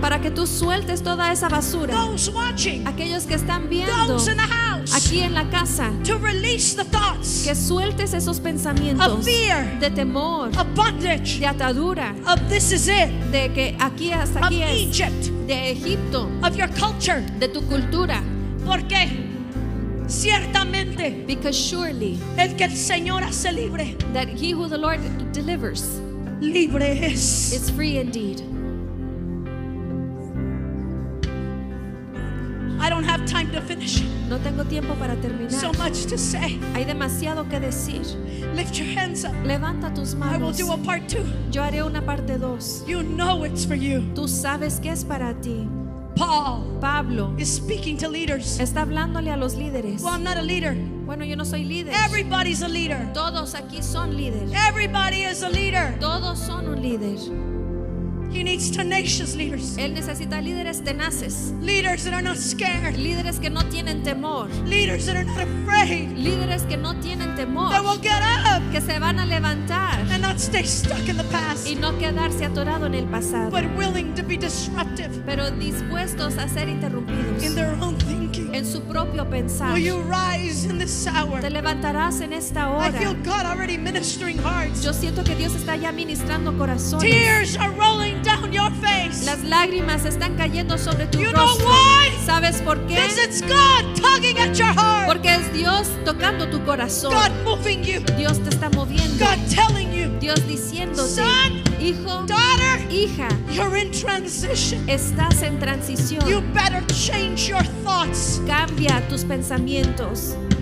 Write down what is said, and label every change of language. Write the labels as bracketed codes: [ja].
[es] Para que tú sueltes toda esa basura. [en] Those watching. [es] Aquellos que están viendo. [en] Those in the house. [es] Aquí en la casa. [en] To release the thoughts. [es] Que sueltes esos pensamientos. [en] Of fear. [es] De temor. [en] Of bondage. [es] De atadura. [en] Of this is it. [es] De que aquí hasta aquí [en] of [es] es. [en] Of Egypt. [es] De Egipto. [en] Of your culture. [es] De tu cultura. ¿Por qué? Ciertamente. [en] Because surely. [es] El que el Señor hace libre. [en] That he who the Lord delivers. [es] Libre es. [en] Is free indeed. I don't have time to finish. [es] No tengo tiempo para terminar. [en] So much to say. [es] Hay demasiado que decir. [en] Lift your hands up. [es] Levanta tus manos. [en] I will do a part two. [es] Yo haré una parte dos. [en] You know it's for you. [es] Tú sabes que es para ti. [en] Paul. [es] Pablo. [en] Is speaking to leaders. [es] Está hablándole a los líderes. [en] Well, I'm not a leader. [es] Bueno, yo no soy líder. [en] Everybody's a leader. [es] Todos aquí son líderes. [en] Everybody is a leader. [es] Todos son un líder. [en] He needs tenacious leaders. [es] Él necesita líderes tenaces. [en] Leaders that are not scared. [es] Líderes que no tienen temor. [en] Leaders that are not afraid. [es] Líderes que no tienen temor. [en] That will get up. [es] Que se van a levantar. [en] And not stay stuck in the past. [es] Y no quedarse atorado en el pasado. [en] But willing to be disruptive. [es] Pero dispuestos a ser interrumpidos. [en] In their own thinking. [es] En su propio pensar. [en] Will you rise in this hour? [es] Te levantarás en esta hora. [en] I feel God already ministering hearts. [es] Yo siento que Dios está ya ministrando corazones. [en] Tears are rolling down your face. [es] Las lágrimas están cayendo sobre tu [en] you [es] rostro. [en] Know why? [es] ¿Sabes por qué? [en] Because it's God tugging at your heart. [es] Porque es Dios tocando tu corazón. [en] God moving you. [es] Dios te está moviendo. [en] God telling you. [es] Dios diciéndote. [en] Son, [es] hijo, [en] daughter, [es] hija, [en] you're in transition. [es] Estás en transición. [en] You better change your thoughts. [es] Cambia tus pensamientos.